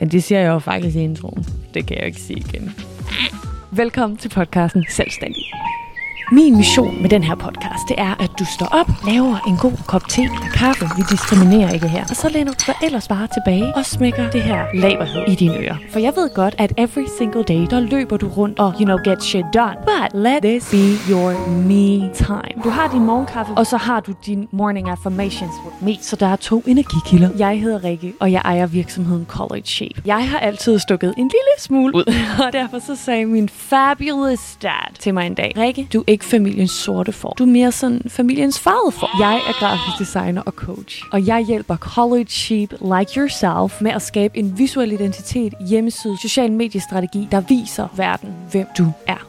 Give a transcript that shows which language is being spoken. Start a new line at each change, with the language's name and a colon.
Danish: Men det siger jeg jo faktisk i introen. Det kan jeg jo ikke sige igen. Velkommen til podcasten Selvstændig. Min mission med den her podcast, det er, at du står op, laver en god kop te eller kaffe. Vi diskriminerer ikke her. Og så læner du dig ellers bare tilbage og smækker det her laberhed i dine ører. For jeg ved godt, at
English: every single day,
Danish: der løber du rundt og,
English: you know, get shit done. But let this be your me time.
Danish: Du har din morgenkaffe, og så har du din
English: morning affirmations with me.
Danish: Så der er to energikilder. Jeg hedder Rikke, og jeg ejer virksomheden College Shape. Jeg har altid stukket en lille smule ud. Og derfor så sagde min
English: fabulous dad
Danish: til mig en dag, Rikke, du ikke familiens sorte får. Du er mere sådan familiens farvede får. Jeg er grafisk designer og coach, og jeg hjælper
English: college sheep like yourself
Danish: med at skabe en visuel identitet, hjemmeside, social mediestrategi, der viser verden, hvem du er.